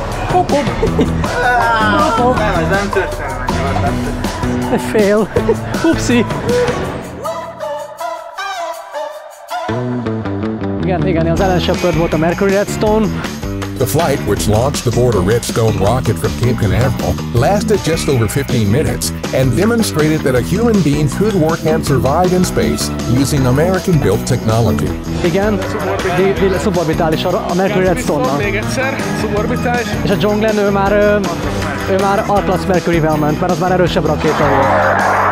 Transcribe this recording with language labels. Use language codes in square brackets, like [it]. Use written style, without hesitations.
[hu] hogy pop. Nem, ez nem történt. Fail. Upsi. Igen, igen, az ellensöpört volt a Mercury Redstone. [en] The flight, which launched aboard a Redstone rocket from Cape Canaveral, lasted just over 15 minutes and demonstrated that a human being could work and survive in space using American-built technology. [hu] Igen, a szuborbitális a Mercury Redstone-nal. Még egyszer, szuborbitális. És a dzsonglen, ő már Atlas Mercury-vel ment, mert az már erősebb rakéta volt.